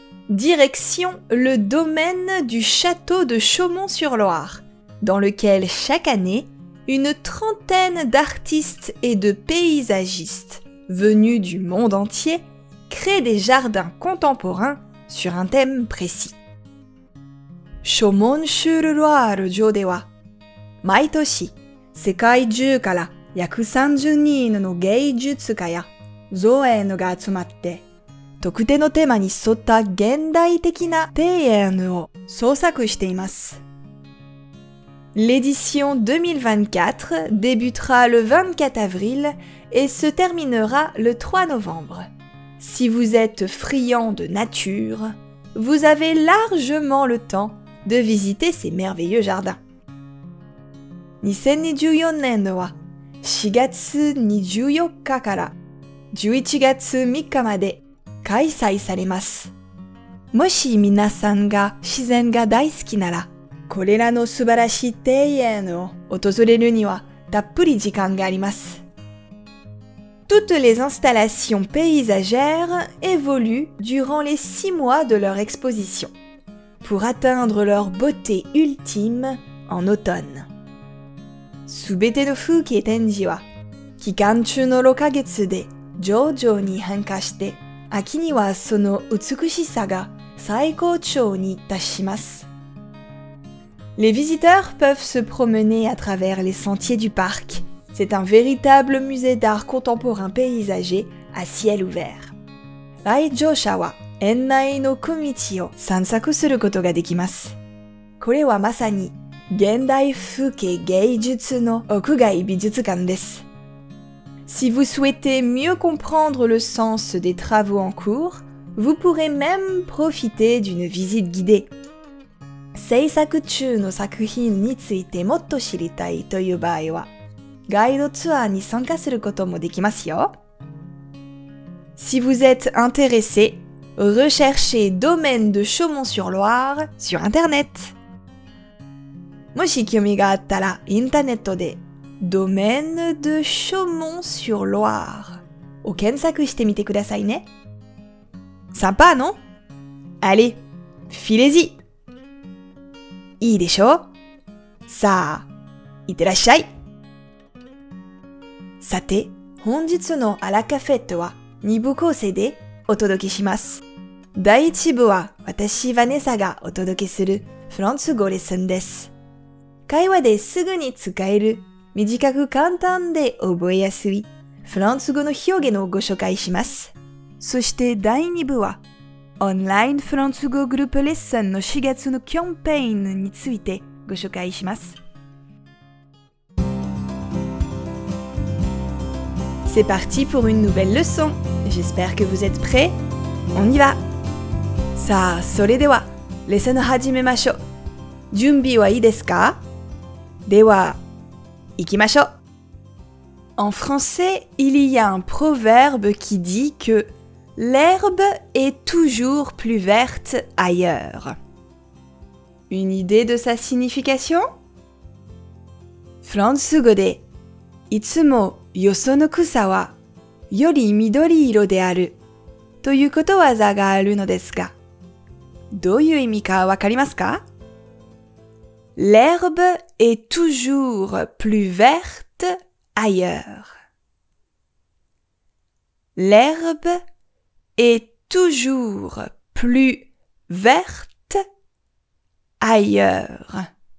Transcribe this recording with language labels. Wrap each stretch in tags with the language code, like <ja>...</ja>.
<fr>Direction le domaine du château de Chaumont-sur-Loire, dans lequel chaque année, une trentaine d'artistes et de paysagistes venus du monde entier créent des jardins contemporains sur un thème précis.</fr> <ja>Chaumont-sur-Loire jo de wa 毎年、世界中から約30人の芸術家や造園が集まって、特定のテーマに沿った現代的な庭園を創作しています。</ja> <fr>L'édition 2024 débutera le 24 avril et se terminera le 3 novembre. Si vous êtes friand de nature, vous avez largement le temps de visiter ces merveilleux jardins.</fr> <ja>2024年度は4月24日から11月3日まで開催されます。もし皆さんが自然が大好きなら、これらの素晴らしい庭園を訪れるにはたっぷり時間があります。</ja> <fr>Toutes les installations paysagères évoluent durant les 6 mois de leur exposition, pour atteindre leur beauté ultime en automne.</fr> <ja>すべての風景展示は期間中の6ヶ月で徐々に変化して秋にはその美しさが最高潮に達します。</ja> <fr>Les visiteurs peuvent se promener à travers les sentiers du parc. C'est un véritable musée d'art contemporain paysager à ciel ouvert.</fr> <ja>来場者は園内の小道を散策することができます。これはまさに現代風景芸術の屋外美術館です。</ja> <fr>Si vous souhaitez mieux comprendre le sens des travaux en cours, vous pourrez même profiter d'une visite guidée.</fr> <ja>制作中の作品についてもっと知りたいという場合は、ガイドツアーに参加することもできますよ。</ja> <fr>Si vous êtes intéressé, recherchez Domaine de Chaumont-sur-Loire sur Internet.</fr> <ja>もし興味があったら、インターネットで、Domaine de Chaumont-sur-Loire を検索してみてくださいね。サンパーの</ja> <fr>Allez, filez-y!</fr> <ja>いいでしょ? さあ、いってらっしゃい! さて、本日のアラカフェットは2部構成でお届けします。第1部は私、ヴァネサがお届けするフランス語レッスンです。会話ですぐに使える短く簡単で覚えやすいフランス語の表現をご紹介します。そして第2部はオンラインフランス語グループレッスンの4月のキャンペーンについてご紹介します。</ja> <fr>C'est parti pour une nouvelle leçon. J'espère que vous êtes prêts. On y va!</fr> <ja>さあ、それではレッスンを始めましょう。準備はいいですか?では、行きましょう。</ja> <fr>En français, il y a un proverbe qui dit que l'herbe est toujours plus verte ailleurs. Une idée de sa signification?</fr> <ja>フランス語で、いつもよその草はより緑色であるということわざがあるのですが、どういう意味かわかりますか?</ja> <fr>L'herbe est toujours plus verte ailleurs. L'herbe est toujours plus verte ailleurs.</fr>